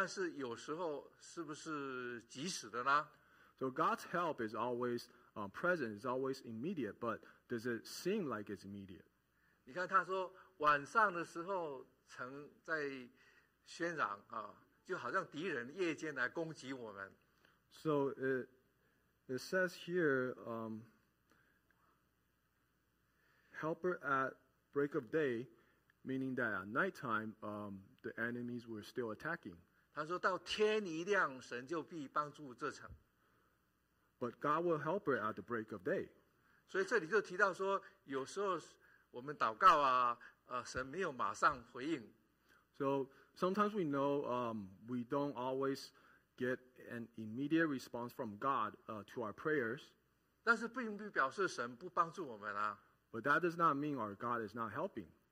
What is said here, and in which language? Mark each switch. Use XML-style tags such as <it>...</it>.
<zh>但是神的帮助是即时的，但是有时候是不是即时的呢？</zh> <en>So God's help is always present, it's always immediate, but does it seem like it's immediate?</en> <zh>你看他说晚上的时候曾在喧嚷，就好像敌人夜间来攻击我们。</zh> <en>So it says here, helper at break of day, meaning that at nighttime, the enemies were still attacking.</en> <zh>他说到天一亮，神就必帮助这城。</zh> <en>But God will help her at the break of day.</en> <zh>所以这里就提到说，有时候我们祷告啊，神没有马上回应。</zh> <en>So sometimes we know we don't always get an immediate response from God to our prayers.</en> <zh>但是并不表示神不帮助我们啊。</zh> <en>But that does not mean our God is not helping.</en>